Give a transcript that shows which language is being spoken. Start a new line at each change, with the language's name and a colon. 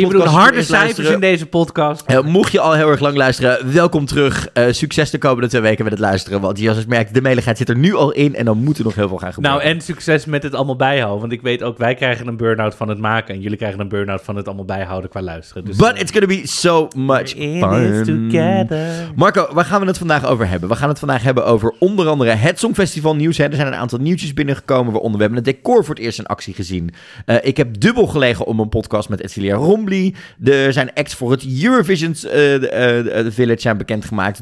Dutch: Je bedoelt harde cijfers in deze podcast. Mocht je al heel erg lang luisteren, welkom terug. Succes de komende 2 weken met het luisteren. Want je merkt, de meligheid zit er nu al in en dan moet er nog heel veel gaan gebeuren. Nou, en succes met het allemaal bijhouden. Want ik weet ook, wij krijgen een burn-out van het maken. En jullie krijgen een burn-out van het allemaal bijhouden qua luisteren.
English: Dus but it's gonna be so much fun. Together.
Dutch: Marco, waar gaan we het vandaag over hebben? We gaan het vandaag hebben over onder andere het Songfestival nieuws. Er zijn een aantal nieuwtjes binnengekomen waaronder we hebben het decor voor het eerst in actie gezien. Ik heb dubbel gelegen om een podcast met Etzilia Rombly. Er zijn acts voor het Eurovision Village zijn bekendgemaakt.